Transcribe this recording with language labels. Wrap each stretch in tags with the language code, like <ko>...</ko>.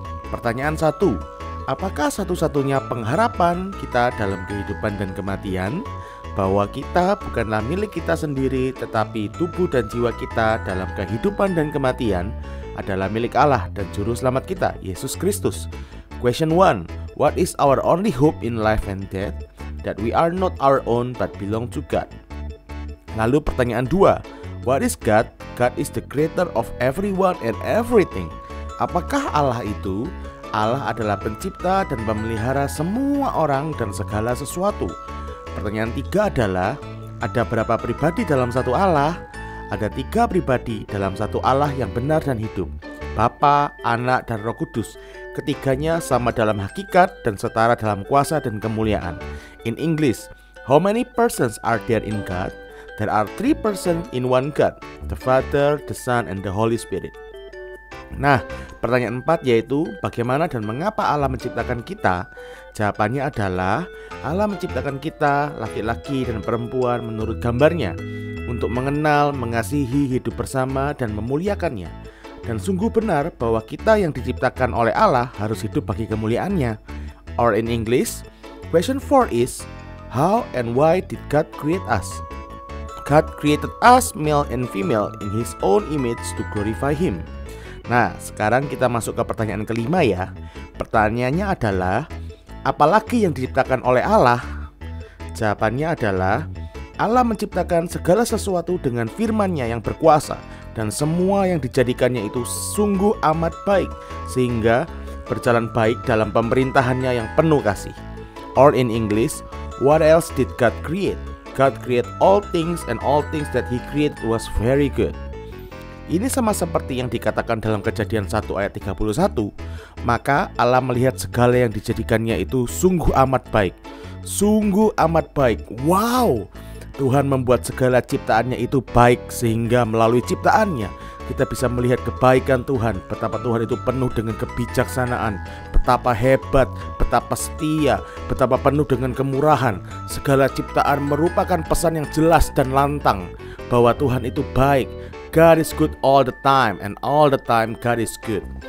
<id>Pertanyaan 1, apakah satu-satunya pengharapan kita dalam kehidupan dan kematian? Bahwa kita bukanlah milik kita sendiri, tetapi tubuh dan jiwa kita dalam kehidupan dan kematian adalah milik Allah dan Juru Selamat kita, Yesus Kristus.</id> <en>Question 1, what is our only hope in life and death? That we are not our own but belong to God. Lalu pertanyaan 2, what is God? God is the creator of everyone and everything.</en> <id>Apakah Allah itu? Allah adalah pencipta dan pemelihara semua orang dan segala sesuatu. Pertanyaan 3 adalah, ada berapa pribadi dalam satu Allah? Ada 3 pribadi dalam satu Allah yang benar dan hidup, Bapa, Anak, dan Roh Kudus. Ketiganya sama dalam hakikat dan setara dalam kuasa dan kemuliaan.</id> <en>In English, how many persons are there in God? There are 3 persons in one God, the Father, the Son, and the Holy Spirit.</en> <id>Nah, pertanyaan 4 yaitu, bagaimana dan mengapa Allah menciptakan kita? Jawabannya adalah, Allah menciptakan kita, laki-laki dan perempuan menurut gambarnya, untuk mengenal, mengasihi, hidup bersama, dan memuliakannya. Dan sungguh benar bahwa kita yang diciptakan oleh Allah harus hidup bagi kemuliaannya.</id> <en>Or in English, question 4 is, how and why did God create us? God created us male and female in His own image to glorify Him.</en> <id>Nah, sekarang kita masuk ke pertanyaan 5 ya. Pertanyaannya adalah, apalagi yang diciptakan oleh Allah? Jawabannya adalah, Allah menciptakan segala sesuatu dengan firman-Nya yang berkuasa, dan semua yang dijadikannya itu sungguh amat baik, sehingga berjalan baik dalam pemerintahan-Nya yang penuh kasih.</id> <en>Or in English, what else did God create? God created all things, and all things that He created was very good.</en> <id>Ini sama seperti yang dikatakan dalam Kejadian 1 ayat 31. Maka Allah melihat segala yang dijadikannya itu sungguh amat baik. Sungguh amat baik. Wow! Tuhan membuat segala ciptaannya itu baik, sehingga melalui ciptaannya kita bisa melihat kebaikan Tuhan. Betapa Tuhan itu penuh dengan kebijaksanaan. Betapa hebat, betapa setia, betapa penuh dengan kemurahan. Segala ciptaan merupakan pesan yang jelas dan lantang bahwa Tuhan itu baik.</id> <en>God is good all the time, and all the time God is good.</en>